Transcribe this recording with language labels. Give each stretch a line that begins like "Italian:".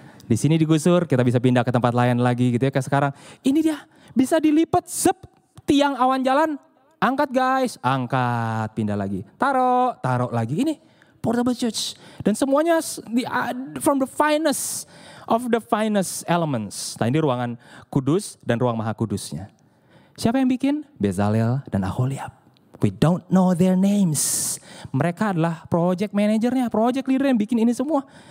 Indonesian: Di sini digusur, kita bisa pindah ke tempat lain lagi gitu ya. Kayak sekarang, ini dia bisa dilipat sep, tiang awan jalan. Angkat guys, angkat, pindah lagi. Taruh, taruh lagi.
English: Ini portable church.
Indonesian: Dan semuanya
English: from the finest of the finest elements.
Indonesian: Nah ini ruangan kudus dan ruang maha kudusnya. Siapa yang bikin? Bezalel dan Aholiab.
English: We don't know their names.
Indonesian: Mereka adalah project manajernya, project leader yang bikin ini semua.